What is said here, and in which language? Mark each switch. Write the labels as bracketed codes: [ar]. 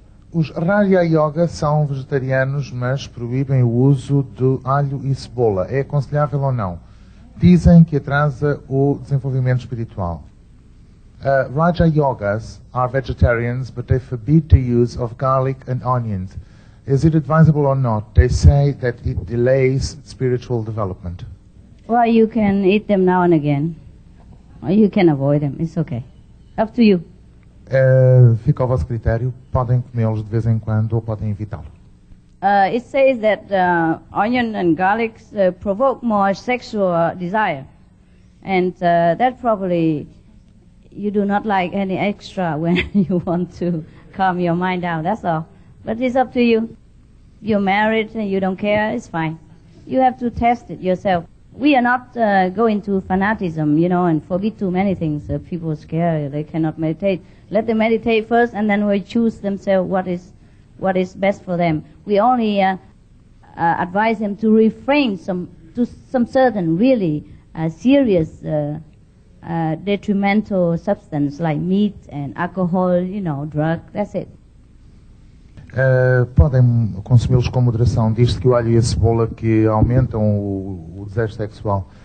[pt] Os Raja Yoga são vegetarianos, mas proíbem o uso de alho e cebola. É aconselhável ou não? dizem que atrasa o desenvolvimento espiritual. [en] Raja yogas are vegetarians, but they forbid the use of garlic and onions. Is it advisable or not? They say that it delays spiritual development. Well, you can eat them now and again. Or you can avoid them. It's okay. Up to you. [pt] Fica ao vosso critério. Podem comê-los de vez em quando ou podem evitá-los. [en] It says that onion and garlic provoke more sexual desire. And that probably you do not like any extra when you want to calm your mind down. That's all. But it's up to you. You're married and you don't care. It's fine. You have to test it yourself. We are not going to fanatism, you know, and forbid too many things. People are scared. They cannot meditate. Let them meditate first and then we choose themselves what is best for them. We only advise them to refrain to some certain really serious detrimental substance like meat and alcohol, you know, drug. That's it. [pt] Podem consumi-los com moderação. Diz-se que o alho e a cebola que aumentam o desejo sexual.